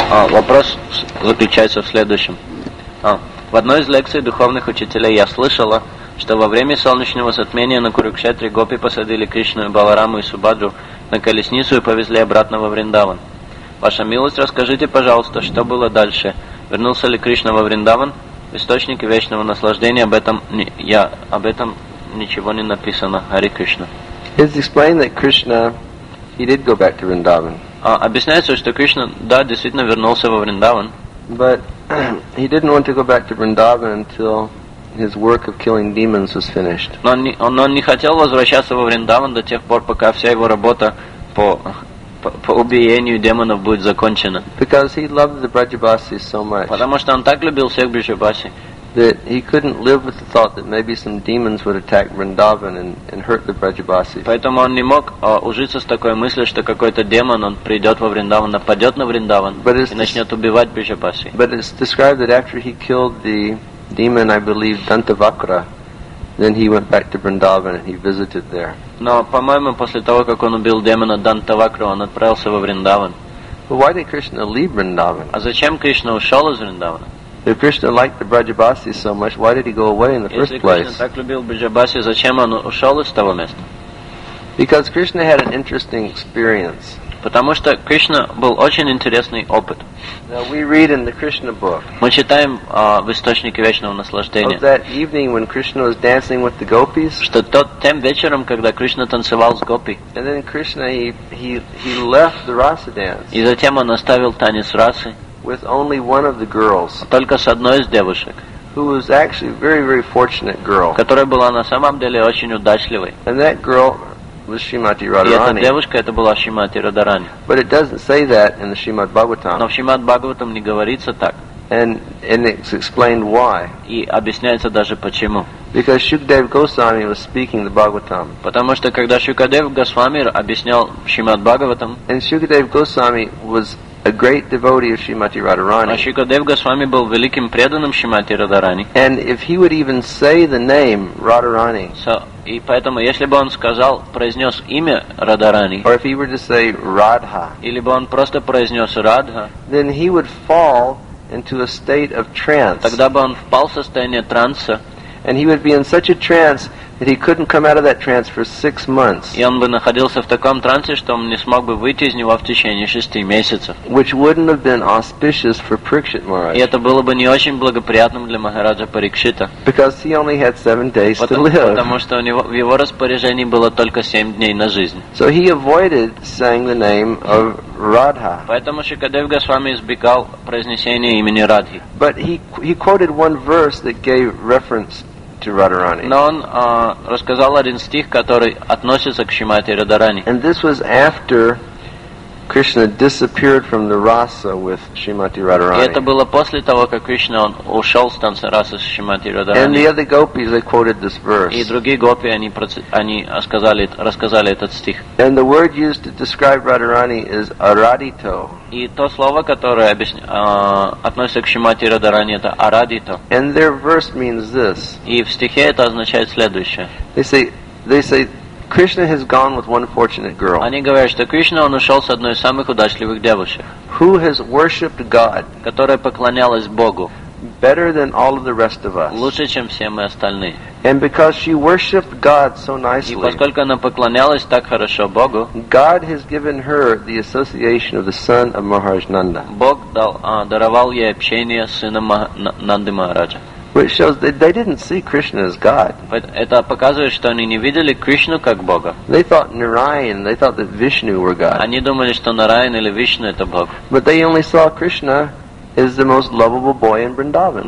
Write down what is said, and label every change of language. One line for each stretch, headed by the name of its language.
Russian: Вопрос заключается в следующем. В одной из лекций духовных учителей я слышала, что во время солнечного затмения на Курукшетре гопи посадили Кришну, Балараму и Субхадру на колесницу и повезли обратно во Вриндаван. Ваша милость, расскажите, пожалуйста, что было дальше? Вернулся ли Кришна во Вриндаван? В источнике вечного наслаждения об этом ничего не написано. Хари Кришна.
English: It's explained that Krishna, he did go back to Vrindavan.
Russian: Объясняется, что Кришна, да, действительно вернулся во Вриндаван.
English: But he didn't want to go back to Vrindavan until his work of killing demons was finished.
Russian: Он не хотел возвращаться во Вриндаван до тех пор, пока вся его работа по убиению демонов будет закончена.
English: Because he loved the Брадж-Баси so much.
Russian: Потому что он так любил всех Брадж-Баси.
English: that he couldn't live with the thought that maybe some demons would attack Vrindavan and hurt the Vrajabasi.
Russian: Поэтому он не мог ужиться с такой мыслью, что какой-то демон он придет во Вриндаван, нападет на Вриндаван и начнет убивать Брижабаси.
English: But it's described that after he killed the demon, I believe, Dantavakra, then he went back to Vrindavan and he visited there.
Russian: Но, по-моему, после того, как он убил демона Дантавакру, он отправился во Вриндаван.
English: But why did Krishna leave Vrindavan?
Russian: А зачем Кришна ушел из Вриндавана?
English: If Krishna liked the Brajabasi so much, why did he go away in the first place?
Russian: Если Кришна так любил Брижабаси, зачем он ушел из того места?
English: Because Krishna had an interesting experience.
Russian: Потому что Кришна был очень интересный опыт.
English: Now we read in the Krishna book.
Russian: Мы читаем в источнике вечного наслаждения.
English: Of that evening when Krishna was dancing with the gopis.
Russian: Что тем вечером, когда Кришна танцевал с гопи.
English: And then Krishna he left the rasa dance.
Russian: И затем он оставил танец расы.
English: With only one of the girls.
Russian: Только с одной из девушек.
English: Who was actually a very very fortunate girl.
Russian: Которая была на самом деле очень удачливой.
English: And that girl was Shrimati Radharani.
Russian: И эта девушка, это была Шримати Радарани.
English: But it doesn't say that in the Shrimad Bhagavatam.
Russian: Но в Шримад Бхагаватам не говорится так.
English: And it's explained why.
Russian: И объясняется даже почему.
English: Because Shukadev Goswami was speaking the Bhagavatam.
Russian: Потому что когда Шукадев Госвами объяснял Шримад Бхагаватам.
English: And Shukadev Goswami was a great devotee of Shrimati Radharani.
Russian: А Шукадев Госвами был великим преданным Шримати Радарани.
English: And if he would even say the name Radharani.
Russian: So, и поэтому, если бы он сказал, произнес имя Радарани,
English: or if he were to say Radha,
Russian: или бы он просто произнес Радха,
English: then he would fall into a state of trance.
Russian: Тогда бы он впал в состояние транса.
English: And he would be in such a trance that he couldn't come out of that trance for 6 months.
Russian: И он бы находился в таком трансе, что он не смог бы выйти из него в течение 6 месяцев.
English: Which wouldn't have been auspicious for Parikshit Maharaj.
Russian: И это было бы не очень благоприятным для Махараджа Парикшита.
English: Because he only had 7 days to live.
Russian: Потому что у него в его распоряжении было только 7 дней на жизнь.
English: So he avoided saying the name of Radha.
Russian: Поэтому Шукадев Госвами избегал произнесения имени Радхи.
English: But he quoted one verse that gave reference to Radharani.
Russian: Но он рассказал один стих, который относится к Шримати Радарани.
English: And this was after Krishna disappeared from the rasa with Shrimati Radharani.
Russian: И это было после того, как Кришна ушел с танца расы с Шримати Радарани.
English: And the other gopis they quoted this verse.
Russian: И другие гопи они рассказали этот стих.
English: And the word used to describe Radharani is aradito.
Russian: И то слово, которое относится к Шримати Радарани, это aradito.
English: And their verse means this.
Russian: И в стихе это означает следующее.
English: They say Krishna has gone with one fortunate girl.
Russian: Они говорят, что Кришна он ушел с одной из самых удачливых девушек.
English: Who has worshipped God?
Russian: Которая поклонялась Богу.
English: Better than all of the rest of us.
Russian: Лучше, чем все мы остальные.
English: And because she worshipped God so nicely.
Russian: И поскольку она поклонялась так хорошо Богу.
English: God has given her the association of the son of Maharaj Nanda.
Russian: Бог даровал ей общение с сыном Нанды Махараджа.
English: Which shows that they didn't see Krishna as God.
Russian: But это показывает, что они не видели Кришну как Бога.
English: They thought Narayan, they thought that Vishnu were God.
Russian: Они думали, что Нараян или Вишну это Бог.
English: But they only saw Krishna as the most lovable boy in Vrindavan.